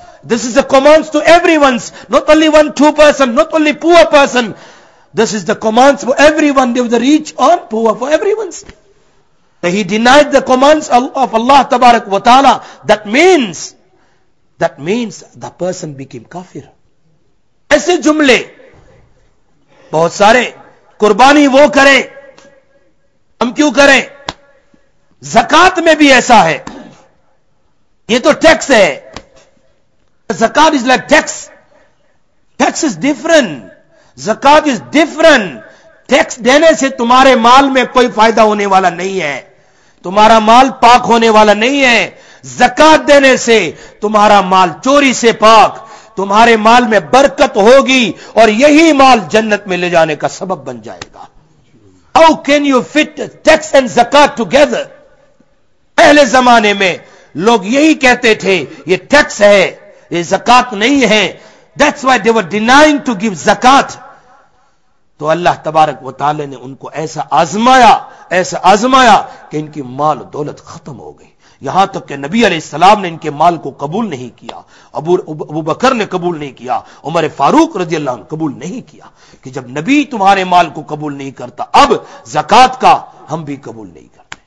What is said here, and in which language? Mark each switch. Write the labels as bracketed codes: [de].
[en] This is the commands to everyone, not only one, two person, not only poor person. This is the commands for everyone, they were the rich or poor, for everyone's. So he denied the commands of Allah Tabarak wa Ta'ala. That means the person became kafir. [ur] ایسے جملے بہت سارے، قربانی وہ کریں ہم کیوں کریں؟ زکات میں بھی ایسا ہے، یہ تو ٹیکس ہے، [en] زکات is like tax, tax is different, [ur] زکات از ڈفرنٹ. ٹیکس دینے سے تمہارے مال میں کوئی فائدہ ہونے والا نہیں ہے، تمہارا مال پاک ہونے والا نہیں ہے. زکات دینے سے تمہارا مال چوری سے پاک، تمہارے مال میں برکت ہوگی اور یہی مال جنت میں لے جانے کا سبب بن جائے گا. [en] How can you fit tax and zakat together? [ur] پہلے زمانے میں لوگ یہی کہتے تھے یہ ٹیکس ہے یہ زکات نہیں ہے. [en] That's why they were denying to give zakat. [ur] تو اللہ تبارک و تعالی نے ان کو ایسا آزمایا کہ ان کی مال و دولت ختم ہو گئی، یہاں تک کہ نبی علیہ السلام نے ان کے مال کو قبول نہیں کیا، ابو بکر نے قبول نہیں کیا، عمر فاروق رضی اللہ عنہ قبول نہیں کیا، کہ جب نبی تمہارے مال کو قبول نہیں کرتا اب زکات کا ہم بھی قبول نہیں کرتے.